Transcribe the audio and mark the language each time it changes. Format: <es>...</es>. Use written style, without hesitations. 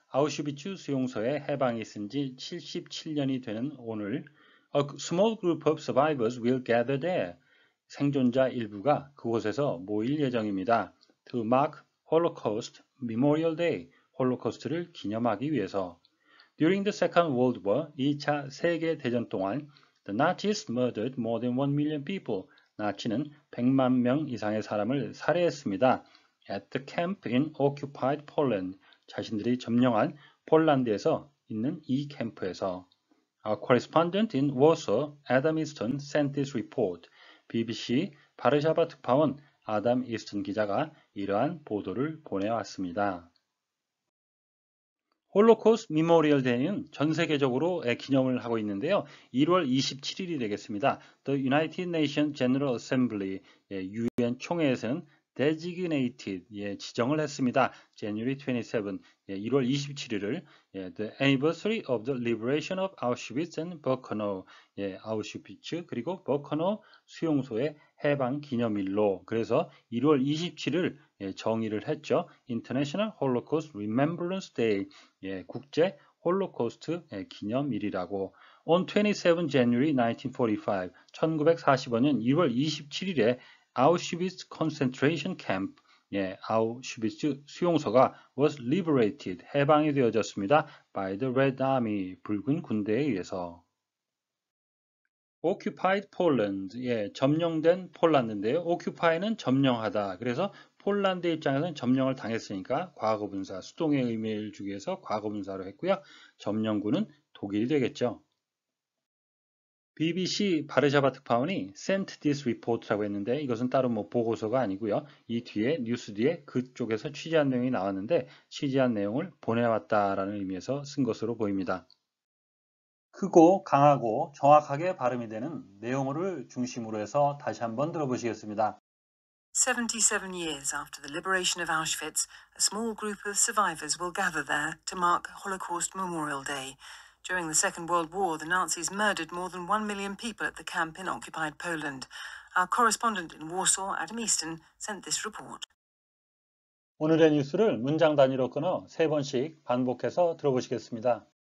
<ko>아우슈비츠 수용소에 해방이 있은 지 77년이 되는 오늘,</ko> <en>A small group of survivors will gather there.</en> <ko>생존자 일부가 그곳에서 모일 예정입니다.</ko> <en>To mark Holocaust Memorial Day.</en> <ko>홀로코스트를 기념하기 위해서.</ko> <en>During the Second World War,</en> <ko>2차 세계대전 동안,</ko> <en>The Nazis murdered more than 1 million people.</en> <ko>나치는 100만 명 이상의 사람을 살해했습니다.</ko> <en>At the camp in occupied Poland.</en> <ko>자신들이 점령한 폴란드에서 있는 이 캠프에서</ko> <en>A correspondent in Warsaw, Adam Easton, sent this report.</en> <ko>BBC 바르샤바 특파원 아담 이스턴 기자가 이러한 보도를 보내왔습니다. 홀로코스트 미모리얼 데이는 전 세계적으로 기념을 하고 있는데요. 1월 27일이 되겠습니다.</ko> <en>The United Nations General Assembly,</en> <ko>유엔 총회에서는</ko> <en>Designated,</en> <ko>예, 지정을 했습니다. January 27, 예, 1월 27일을 예,</ko> <en>The Anniversary of the Liberation of Auschwitz and Birkenau,</en> <ko>예, 아우슈비츠 그리고 버커너 수용소의 해방 기념일로 그래서 1월 27일을 예, 정의를 했죠. International Holocaust Remembrance Day, 예, 국제 홀로코스트 기념일이라고.</ko> <en>On 27 January 1945,</en> <ko>1945년 1월 27일에 아우슈비츠 콘센트레이션 캠프, 예, 아우슈비츠 수용소가</ko> <en>was liberated,</en> <ko>해방이 되어졌습니다.</ko> <en>By the Red Army,</en> <ko>붉은 군대에 의해서.</ko> <en>Occupied Poland,</en> <ko>예, 점령된 폴란드인데요. Occupy는 점령하다. 그래서 폴란드 입장에서는 점령을 당했으니까 과거분사, 수동의 의미를 주기 위해서 과거분사로 했고요. 점령군은 독일이 되겠죠. BBC 바르샤바 특파원이</ko> <en>sent this report</en> <ko>라고 했는데 이것은 따로 뭐 보고서가 아니고요. 이 뒤에 뉴스 뒤에 그쪽에서 취재한 내용이 나왔는데 취재한 내용을 보내왔다라는 의미에서 쓴 것으로 보입니다. 크고 강하고 정확하게 발음이 되는 내용물을 중심으로 해서 다시 한번 들어보시겠습니다.</ko> <en>77 years after the liberation of Auschwitz, a small group of survivors will gather there to mark Holocaust Memorial Day. During the Second World War, the Nazis murdered more than 1 million people at the camp in occupied Poland. Our correspondent in Warsaw, Adam Easton, sent this report.</en> <ko>오늘의 뉴스를 문장 단위로 끊어 세 번씩 반복해서 들어보시겠습니다.</ko>